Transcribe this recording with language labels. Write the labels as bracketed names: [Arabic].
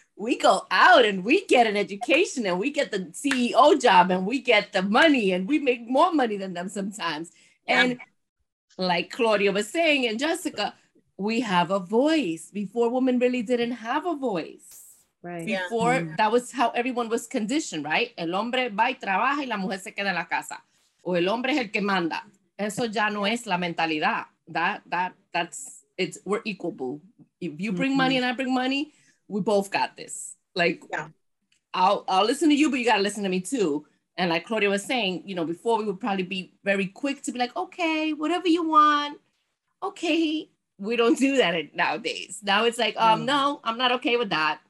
[English] We go out and we get an education and we get the CEO job and we get the money and we make more money than them sometimes. Yeah. And like Claudia was saying, and Jessica, we have a voice. Before, women really didn't have a voice. Right. Before, that was how everyone was conditioned, right? [Spanish] El hombre va y trabaja y la mujer se queda en la casa. O el hombre es el que manda. Eso ya no es la mentalidad. [English] that's we're equal, boo. If you bring mm-hmm. money and I bring money, we both got this. Like, yeah. I'll listen to you, but you gotta listen to me too. And like Claudia was saying, you know, before we would probably be very quick to be like, okay, whatever you want. Okay, we don't do that nowadays. Now it's like, no, I'm not okay with that.